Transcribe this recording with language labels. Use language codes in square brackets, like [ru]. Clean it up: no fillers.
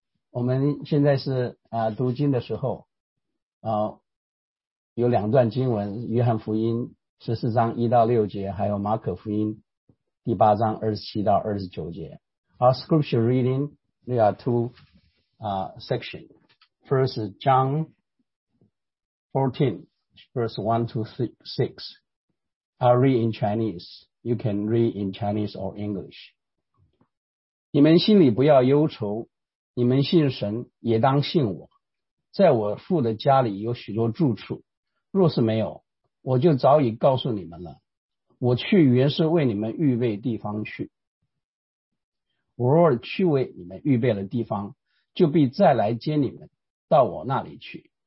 [zh] 我们现在是读经的时候有两段经文，约翰福音14:1-6，还有马可福音8:27-29。 [en] Our scripture reading, there are two sections. First, John 14:1-6. I'll read in Chinese. You can read in Chinese or English. [zh] 你们心里不要忧愁，你们信神也当信我，在我父的家里有许多住处，若是没有，我就早已告诉你们了。我去原是为你们预备地方去，我若去为你们预备了地方，就必再来接你们到我那里去。